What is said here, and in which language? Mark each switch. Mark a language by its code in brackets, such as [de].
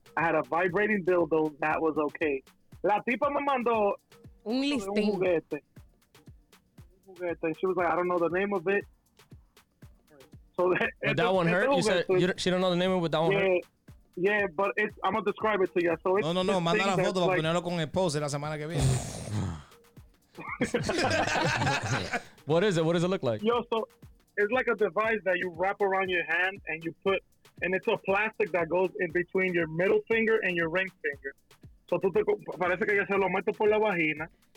[en] I had a vibrating dildo. That was okay. [es] La tipa me mandó un listing. Un juguete. [en] She was like, I don't know the name of it. So that one hurt? You said you don't, she don't know the name of it, but that one hurt? Yeah, but it's, I'm going to describe it to you. So it's, no, no, no. [es] Manda la foto para ponerlo con el post la semana que viene. [en] What is it? What does it look like? Yo, so it's like a device that you wrap around your hand and you put, and it's a plastic that goes in between your middle finger and your ring finger. [es] So tú te, parece que ya se lo meto por la vagina.